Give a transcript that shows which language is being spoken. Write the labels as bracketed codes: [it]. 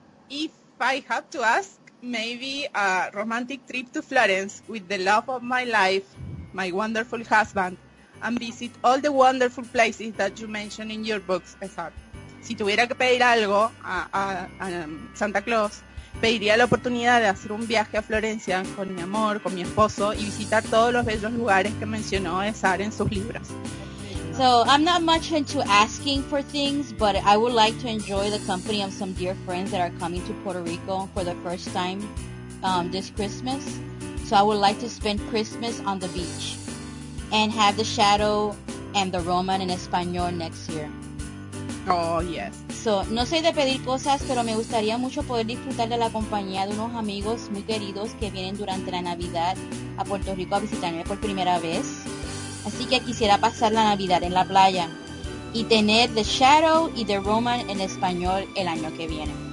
[en] If I had to ask, maybe a romantic trip to Florence with the love of my life, my wonderful husband, and visit all the wonderful places that you mentioned in your books. [es] Si tuviera que pedir algo a Santa Claus, pediría la oportunidad de hacer un viaje a Florencia con mi amor, con mi esposo, y visitar todos los bellos lugares que mencionó Esar en sus libros. [en] So, I'm not much into asking for things, but I would like to enjoy the company of some dear friends that are coming to Puerto Rico for the first time this Christmas. So, I would like to spend Christmas on the beach and have the shadow and the Roman in Espanol next year. Oh, yes. [es] eso. No soy de pedir cosas, pero me gustaría mucho poder disfrutar de la compañía de unos amigos muy queridos que vienen durante la Navidad a Puerto Rico a visitarme por primera vez. Así que quisiera pasar la Navidad en la playa y tener The Shadow y The Roman en español el año que viene.